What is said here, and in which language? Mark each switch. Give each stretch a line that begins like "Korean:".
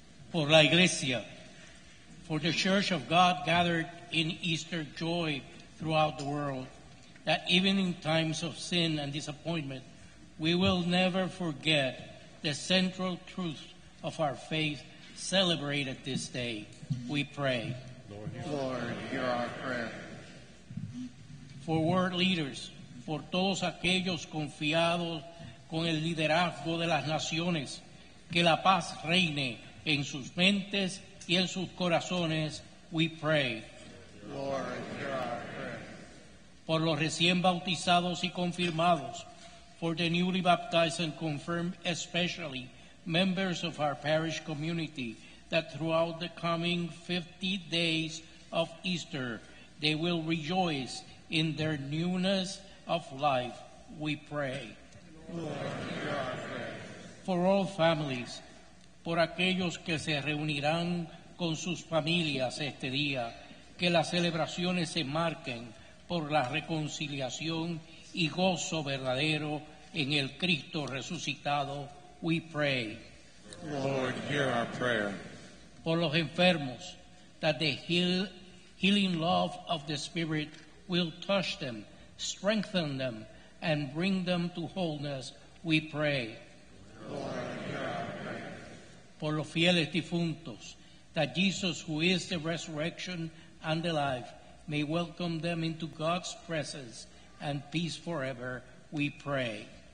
English: For
Spanish: La Iglesia,
English: for the Church of God gathered in Easter joy throughout the world, that even in times of sin and disappointment, we will never forget the central truth of our faith celebrated this day, we pray. Lord, hear our prayer. For world leaders, for
Spanish: todos aquellos confiados con el liderazgo de las naciones, que la paz reine en sus mentes y en sus corazones,
English: we pray. Lord, hear our prayer.
Spanish: Por los recién bautizados y confirmados,
English: for the newly baptized and confirmed, especially members of our parish community, that throughout the coming 50 days of Easter, they will rejoice in their newness of life, we pray. Lord, hear our prayer. For all families,
Spanish: por aquellos que se reunirán con sus familias este día, que las celebraciones se marquen por la reconciliación y gozo verdadero en el Cristo resucitado,
English: we pray. Lord, hear our prayer.
Spanish: Por los enfermos,
English: that the healing love of the Spirit will touch them, strengthen them, and bring them to wholeness, we pray. Lord, hear our prayer.
Spanish: Por los fieles difuntos,
English: that Jesus, who is the resurrection and the life, may welcome them into God's presence and peace forever, we pray.